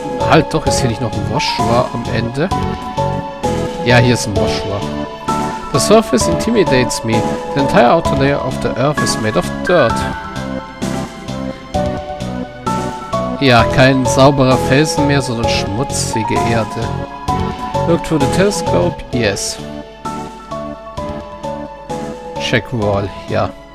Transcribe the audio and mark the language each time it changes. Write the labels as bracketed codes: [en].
[de] Halt doch, ist hier nicht noch ein Washua am Ende? Ja, hier ist ein Moschua. [en] The surface intimidates me. The entire outer layer of the earth is made of dirt. [de] Ja, kein sauberer Felsen mehr, sondern schmutzige Erde. [en] Look through the telescope. Yes. Check wall. Ja.